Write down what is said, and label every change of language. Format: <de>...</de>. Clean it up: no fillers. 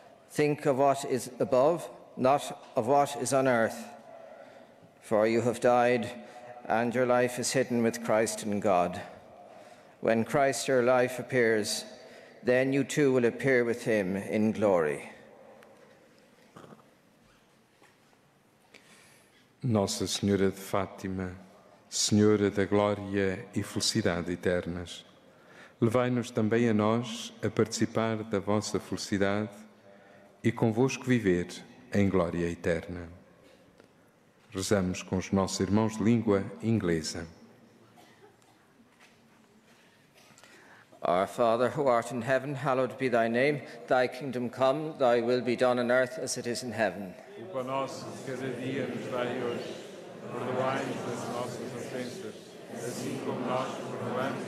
<en>Think of what is above, not of what is on earth. For you have died, and your life is hidden with Christ in God. When Christ, your life, appears, then you too will appear with him in glory.</en> <pt>Nossa Senhora de Fátima, Senhora da glória e felicidade eternas, levai-nos também a nós a participar da vossa felicidade e convosco viver em glória eterna. Rezamos com os nossos irmãos de língua inglesa.</pt> <en>Our Father, who art in heaven, hallowed be thy name. Thy kingdom come, thy will be done on earth as it is in heaven.</en> <pt>O pão nosso de cada dia nos dai hoje. Perdoai-nos as nossas ofensas, assim como nós perdoamos a</pt>